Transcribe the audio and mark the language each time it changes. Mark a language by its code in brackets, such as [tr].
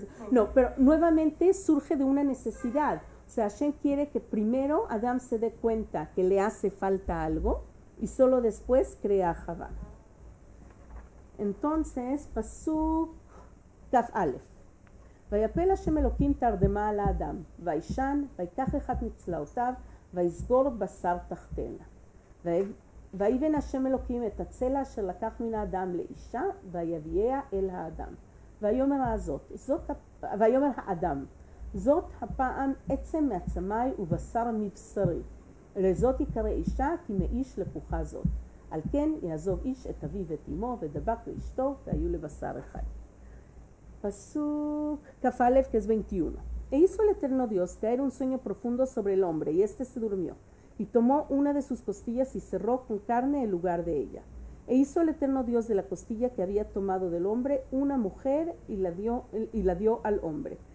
[es] No, pero nuevamente surge de una necesidad. O sea, Hashem quiere que primero Adán se dé cuenta que le hace falta algo y solo después crea a Javá. Entonces, Pasuk Taf Alef. [he] ויפל השם אלוקים תרדמה על האדם, וישן, ויקח אחד מצלעותיו, ויסגור בשר תחתן. ויבן השם אלוקים את הצלע שלקח מן האדם לאישה, ויביאה אל האדם. ויאמר הזאת, ויאמר האדם, זאת הפעם עצם מעצמי ובשר מבשרי. לזאת יקרא אישה, כי מאיש לקוחה זאת. על כן יעזוב איש את אביו ואת אמו, ודבק לאשתו, והיו לבשר אחד. [es] Pasuk Kafalev, que es 21. E hizo el Eterno Dios caer un sueño profundo sobre el hombre, y éste se durmió, y tomó una de sus costillas y cerró con carne el lugar de ella. E hizo el Eterno Dios de la costilla que había tomado del hombre una mujer y la dio al hombre.